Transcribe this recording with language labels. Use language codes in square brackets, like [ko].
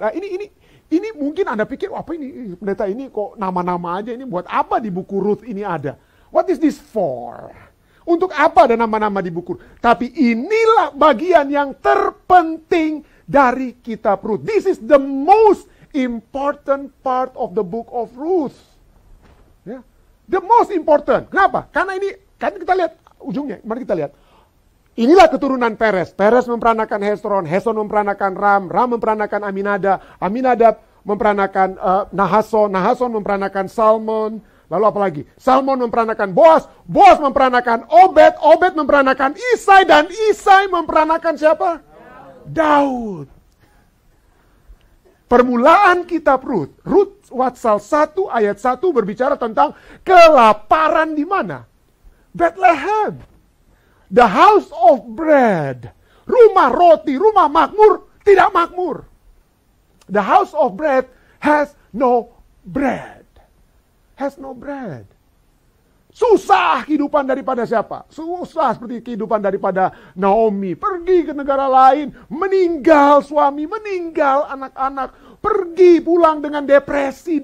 [id] Nah, ini mungkin Anda pikir, apa ini pendeta ini kok nama-nama aja, ini buat apa di buku Ruth ini ada? [en] What is this for? [id] Untuk apa ada nama-nama di buku? Tapi inilah bagian yang terpenting dari kitab Ruth. [en] This is the most important part of the book of Ruth. Yeah. The most important. Kenapa? [id] Karena ini, kan kita lihat ujungnya. Mari kita lihat. Inilah keturunan Peres. Peres memperanakan Hezron. Hezron memperanakan Ram. Ram memperanakan Aminadab. Aminadab memperanakan Nahason. Nahason memperanakan Salmon. Lalu apa lagi? Salmon memperanakan Boaz. Boaz memperanakan Obed. Obed memperanakan Isai. Dan Isai memperanakan siapa? Daud. Permulaan kitab Ruth. Ruth Watsal 1 ayat 1 berbicara tentang kelaparan di mana? Bethlehem. [en] The house of bread. [id] Rumah roti, rumah makmur, tidak makmur. [en] The house of bread has no bread. Has no bread. [id] Susah kehidupan daripada siapa? Susah seperti kehidupan daripada Naomi. Pergi ke negara lain. Meninggal suami. Meninggal anak-anak. Pergi pulang dengan depresi.